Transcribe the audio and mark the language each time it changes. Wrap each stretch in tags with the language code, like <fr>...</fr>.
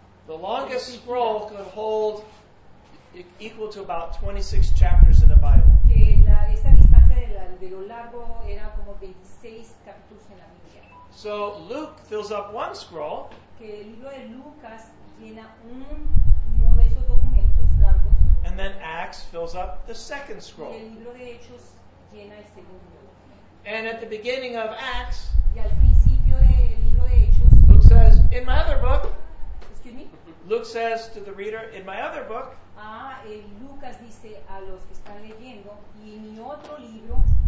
<en>The longest scroll could hold equal to about 26 chapters in the Bible.</en> <es>Que la, esta distancia de lo largo era como 26 capítulos en la Biblia.</es> <en>So Luke fills up one scroll.</en> <es>Que el libro de Lucas llena uno de esos documentos largos.</es> <en>And then Acts fills up the second scroll.</en> <es>Y el libro de Hechos llena el segundo documento.</es> <en>And at the beginning of Acts,</en> <es>y al principio del libro de Hechos,</es> <en>Luke says, in my other book, me? Luke says to the reader, in my other book,</en> <es>Lucas dice a los que están leyendo, y en mi otro libro,</es>